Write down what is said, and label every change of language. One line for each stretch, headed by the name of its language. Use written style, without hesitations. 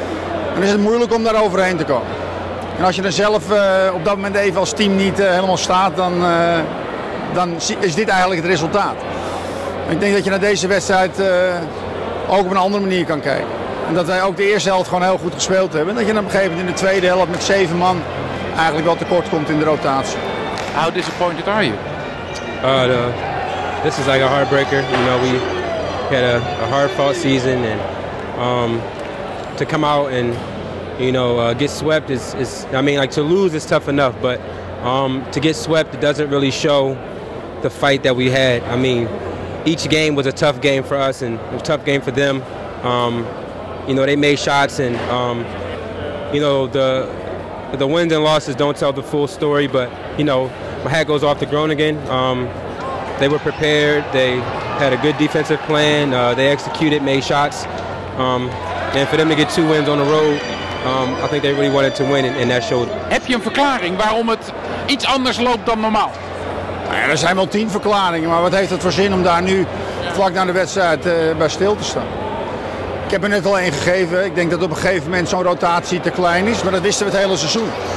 Dutch: En dan is het moeilijk om daar overheen te komen. En als je er zelf op dat moment even als team niet helemaal staat, dan is dit eigenlijk het resultaat. En ik denk dat je naar deze wedstrijd ook op een andere manier kan kijken. En dat wij ook de eerste helft gewoon heel goed gespeeld hebben. En dat je dan op een gegeven moment in de tweede helft met 7 man eigenlijk wel tekort komt in de rotatie.
English: How disappointed are you? This is like a heartbreaker. You know, we had a hard fought season and to come out and, you know, get swept is, I mean, like to lose is tough enough, but to get swept, it doesn't really show the fight that we had. I mean, each game was a tough game for us and a tough game for them. You know, they made shots and, you know, the wins and losses don't tell the full story, but, you know, my hat goes off to Groningen. They were prepared. They had a good defensive plan. They executed, made shots.
Dutch: En voor hem te
English: get 2 wins on the road, I think they really wanted to win in that show.
Dutch: Heb je een verklaring waarom het iets anders loopt dan normaal? Nou ja, er zijn wel 10 verklaringen, maar wat heeft het voor zin om daar nu vlak na de wedstrijd bij stil te staan? Ik heb er net al 1 gegeven. Ik denk dat op een gegeven moment zo'n rotatie te klein is, maar dat wisten we het hele seizoen.